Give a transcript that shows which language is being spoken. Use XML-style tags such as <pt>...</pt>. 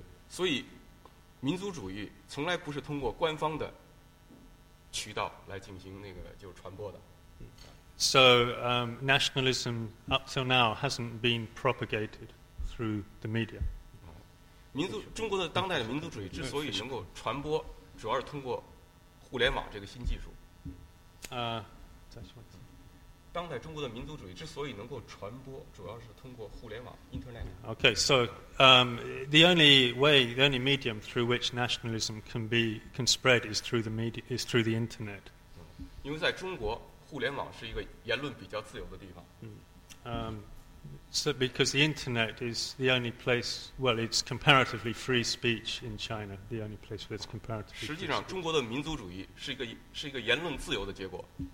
<zh>所以民族主义从来不是通过官方的渠道来进行就传播的。</zh> <en>So nationalism up till now hasn't been propagated. Through the media.</en> <zh>中国的当代的民族主义之所以能够传播，主要是通过互联网这个新技术。当代中国的民族主义之所以能够传播，主要是通过互联网 Internet.</zh> <en>Okay, so the only way, the only medium through which nationalism can spread is through the media, is through the Internet.</en> <zh>因为在中国，互联网是一个言论比较自由的地方。</zh> <en>So because the internet is the only place, well, it's comparatively free speech in China, the only place where it's comparatively free speech.</en> <zh>实际上中国的民族主义是一个言论自由的结果。</zh>